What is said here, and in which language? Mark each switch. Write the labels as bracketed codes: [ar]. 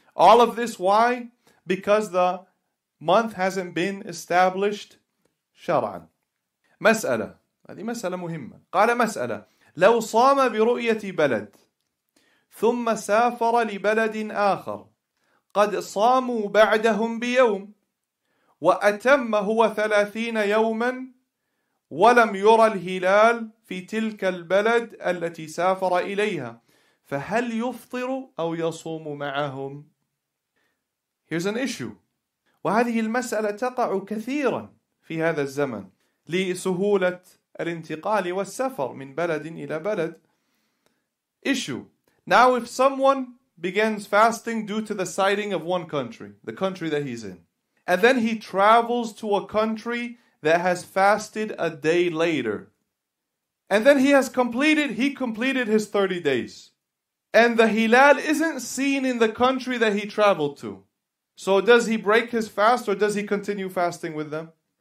[en] All of this, why? Because the month hasn't been established shara'an. [ar] مسألة. هذه مسألة مهمة. قال مسألة. لو صام برؤية بلد ثم سافر لبلد آخر قد صاموا بعدهم بيوم وأتم هو 30 يوما ولم يرى الهلال في تلك البلد التي سافر إليها فهل يفطر أو يصوم معهم. [en] Here's an issue. [ar] وهذه المسألة تقع كثيرا في هذا الزمن لسهولة الانتقال والسفر من بلد إلى بلد. [en] Issue. Now if someone begins fasting due to the sighting of one country, the country that he's in, and then he travels to a country that has fasted a day later, and then he completed his 30 days, and the hilal isn't seen in the country that he traveled to, so does he break his fast or does he continue fasting with them?